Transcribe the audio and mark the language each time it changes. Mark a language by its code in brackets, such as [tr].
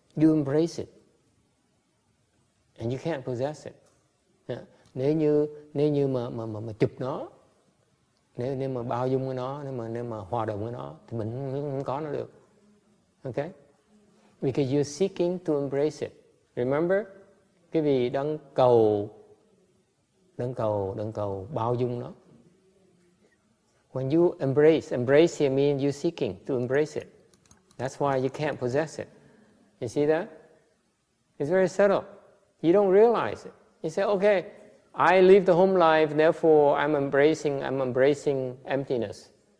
[en] You embrace it, and you can't possess it. [vi] Nếu như mà chụp nó, nếu mà bao dung với nó, nếu mà hòa đồng với nó, thì mình không có nó được, okay? [en] Because you're seeking to embrace it. Remember, [vi] quý vị đang cầu. Đơn cầu bao dung nó. [en] When you embrace here means you're seeking to embrace it. That's why you can't possess it. You see that? It's very subtle. You don't realize it. You say, okay, I live the home life, therefore I'm embracing emptiness.